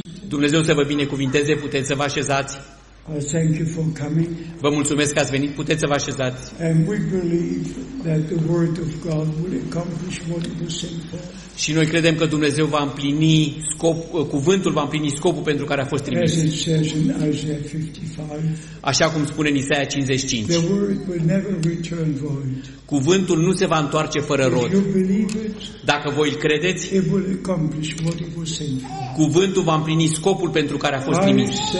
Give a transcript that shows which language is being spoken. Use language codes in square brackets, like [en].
[ro] Dumnezeu să vă binecuvinteze, puteți să vă așezați. [en] Thank you for coming. [ro] Vă mulțumesc că ați venit, puteți să vă așezați. [en] And we believe that the word of God will accomplish what it was sent for. [ro] Și noi credem că Dumnezeu va împlini cuvântul, va împlini scopul pentru care a fost trimis. [en] As it says in Isaiah 55. [ro] Așa cum spune în Isaia 55. [en] The word will never return void. [ro] Cuvântul nu se va întoarce fără rod. [en] If you believe it, [ro] dacă voi îl credeți, [en] it will accomplish what it was sent for. [ro] Cuvântul va împlini scopul pentru care a fost trimis.